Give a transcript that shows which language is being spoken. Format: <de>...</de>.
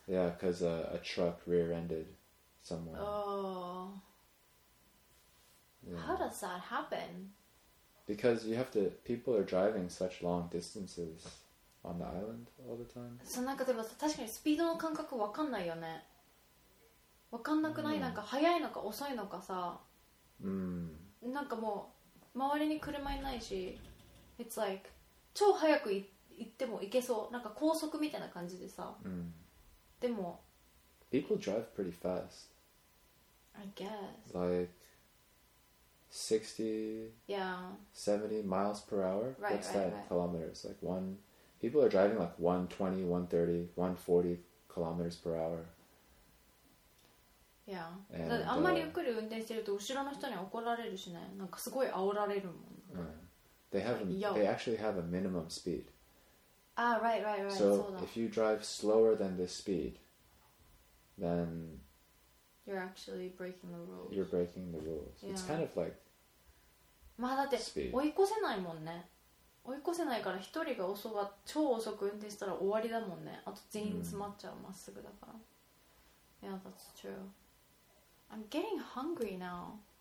<en>Yeah, because a truck rear-ended someone. Oh. Yeah. How does that happen? Because you have to... People are driving such long distances on the island all the time. So, like, for example, actually, speed</en> <ja>の感覚わかんないよね。わかんなくない？なんか速いのか遅いのかさ。なんかもう周りに車いないし、</ja> <en>it's like</en> <ja>超速く行っても行けそう。なんか高速みたいな感じでさ。でも、</ja> <en>people drive pretty fast. I guess. Like 60, yeah, 70 miles per hour. Right, what's right, that right. kilometers? Like one, people are driving like 120, 130, 140 kilometers per hour. Yeah,</en> <ja>あんまりゆっくり運転してると後ろの人に怒られるしね。なんかすごい煽られるもん。</ja> <en>They have they actually have a minimum speed. Ah, right, right, right. So if you drive slower than this speed, then you're actually breaking the rules. You're breaking the rules. Yeah. It's kind of like</en> <ja>まあだって追い越せないもんね。追い越せないから一人が遅く超遅く運転したら終わりだもんね。あと全員詰まっちゃう、まっすぐだから。</ja> <en>Yeah, that's true. I'm getting hungry now.</en>